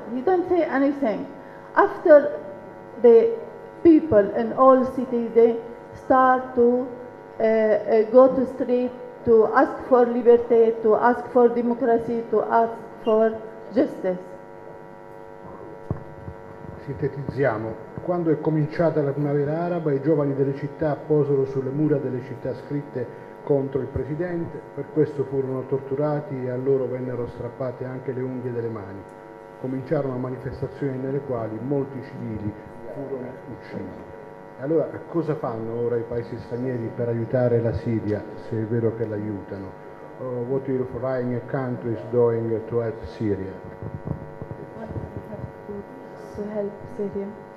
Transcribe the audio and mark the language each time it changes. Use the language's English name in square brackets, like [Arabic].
[English] He don't say anything. After the people in all cities, they start to go to street, to ask for liberty, to ask for democracy, to ask for justice. [Italian] Sintetizziamo. Quando è cominciata la primavera araba, i giovani delle città posero sulle mura delle città scritte contro il presidente, per questo furono torturati e a loro vennero strappate anche le unghie delle mani. Cominciarono manifestazioni nelle quali molti civili furono uccisi. Allora, cosa fanno ora i paesi stranieri per aiutare la Siria, se è vero che l'aiutano? [English] What are your foreign countries doing to help Syria? What do you have to do to help Syria?